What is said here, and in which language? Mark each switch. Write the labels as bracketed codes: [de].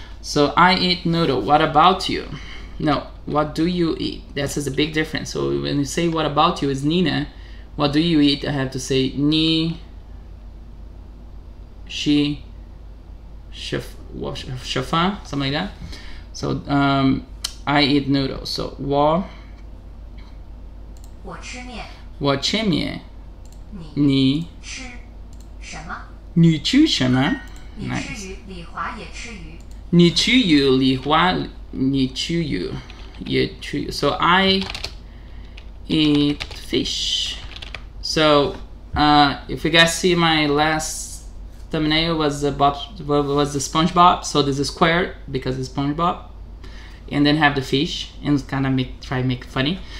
[en] So I eat noodle. What about you? No, what do you eat? That is a big difference. So when you say what about you is Nina, what do you eat? I have to say ni, she, shafa, something like that. So I eat noodles. [zh] So 我吃面，我吃面，你吃什么？你吃什么？你吃鱼，李华也吃鱼。你吃鱼，李华，你吃鱼，也吃鱼。 [en] So I eat fish. So if you guys see my last thumbnail was the Bob, was the SpongeBob. So this is square because it's SpongeBob. And then have the fish and kind of make funny.